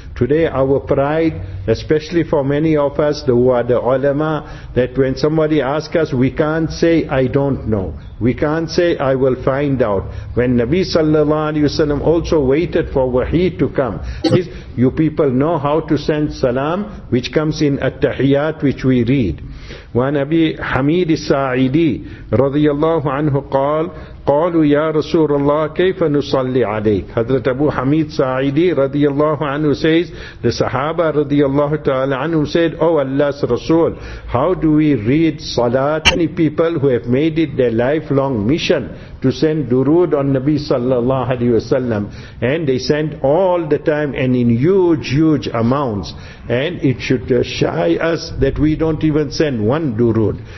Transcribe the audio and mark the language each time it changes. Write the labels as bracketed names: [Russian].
[English] Today our pride, especially for many of us who are the ulama, that when somebody asks us, we can't say, I don't know. We can't say, I will find out. When Nabi sallallahu alayhi wasallam also waited for wahi to come. You people know how to send salam, which comes in at-tahiyyat, which we read. [Arabic] وعن أبي حميد الساعدي رضي الله عنه قال قالوا يا رسول الله كيف نصلي عليك. [English] حضرت أبو حميد الساعدي رضي الله عنه says, the Sahaba رضي الله تعالى عنه said, oh Allah's Rasul, how do we read salat? Many people who have made it their lifelong mission to send durood on Nabi sallallahu alayhi wasallam, and they send all the time and in huge, huge amounts, and it should shy us that we don't even send one durood.